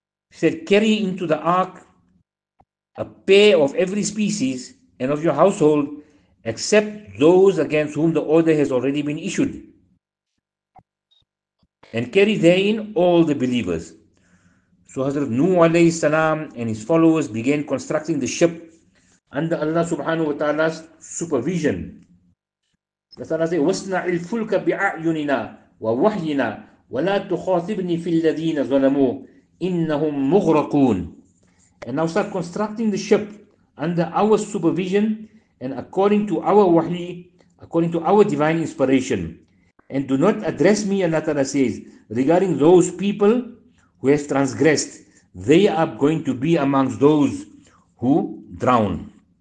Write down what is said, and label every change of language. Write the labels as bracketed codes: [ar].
[en] He said, carry into the ark a pair of every species and of your household, except those against whom the order has already been issued. And carry therein all the believers. So Hazrat Nuh alayhi salam and his followers began constructing the ship under Allah subhanahu wa ta'ala's supervision. Allah said, [ar] وَاسْنَعِ الْفُلْكَ بِأَعْيُنِنَا وَوَحْيِنَا وَلَا تُخَاطِبْنِي فِي الَّذِينَ ظَلَمُوا إِنَّهُمْ مُغْرَقُونَ. [en] And now start constructing the ship under our supervision and according to our wahi, according to our divine inspiration. And do not address me, Allah Ta'ala says, regarding those people who have transgressed. They are going to be amongst those who drown.